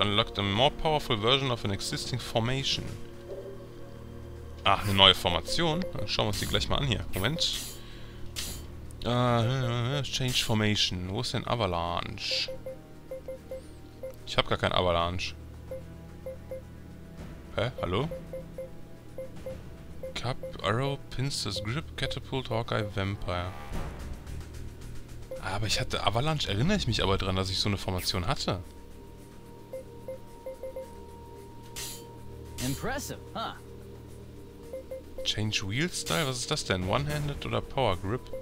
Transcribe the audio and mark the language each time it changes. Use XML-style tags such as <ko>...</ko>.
<en>Unlocked a more powerful version of an existing formation.</en> <de>Ach, eine neue Formation. Dann schauen wir uns die gleich mal an hier. Moment.</de> <en>Change Formation.</en> <de>Wo ist denn Avalanche? Ich habe gar kein Avalanche. Hä? Hallo?</de> <en>Cup, Arrow, Pincers, Grip, Catapult, Hawkeye, Vampire.</en> <de>Aber ich hatte Avalanche. Erinnere ich mich aber dran, dass ich so eine Formation hatte.</de> <en>Impressive, huh? Change Wheel Style?</en> <de>Was ist das denn?</de> <en>One-Handed</en> <de>oder</de> <en>Power Grip?</en>